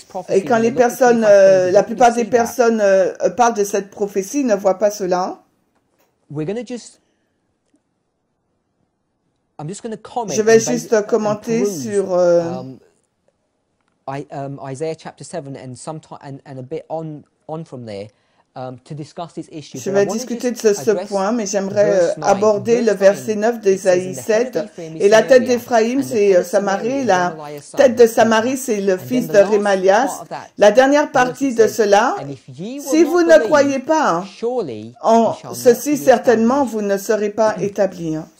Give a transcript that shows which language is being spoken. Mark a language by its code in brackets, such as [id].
[fr] Et quand les personnes, la plupart des personnes parlent de cette prophétie, ne voient pas cela. Je vais juste commenter sur [en] Isaiah chapter 7 and sometime and a bit on from there. To discuss this issue. [fr] Je vais discuter de ce point, mais j'aimerais aborder le verset 9 d'Ésaïe 7. Et la tête d'Éphraïm, c'est Samarie. La tête de Samarie, c'est le fils de Remalias. La dernière partie de cela, si vous ne croyez pas en ceci, certainement, vous ne serez pas établi.